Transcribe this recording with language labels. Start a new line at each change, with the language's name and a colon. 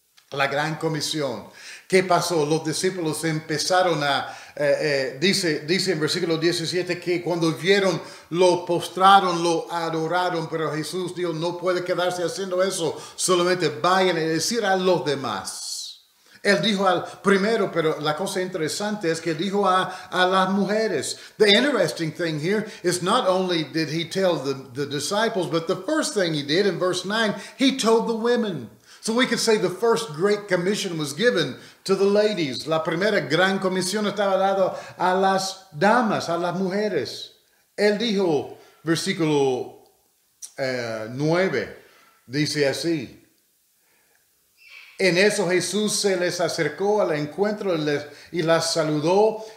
Spanish: La gran comisión. ¿Qué pasó? Los discípulos empezaron a, dice en versículo 17 que cuando vieron, lo postraron, lo adoraron. Pero Jesús dijo, no puede quedarse haciendo eso. Solamente vayan y decir a los demás. Él dijo al primero, pero la cosa interesante es que dijo a las mujeres.
English: The interesting thing here is not only did he tell the disciples, but the first thing he did in verse 9, he told the women. So we could say the first great commission was given to the ladies.
Spanish: La primera gran comisión estaba dada a las damas, a las mujeres. Él dijo, versículo 9, dice así. En eso Jesús se les acercó al encuentro y las saludó.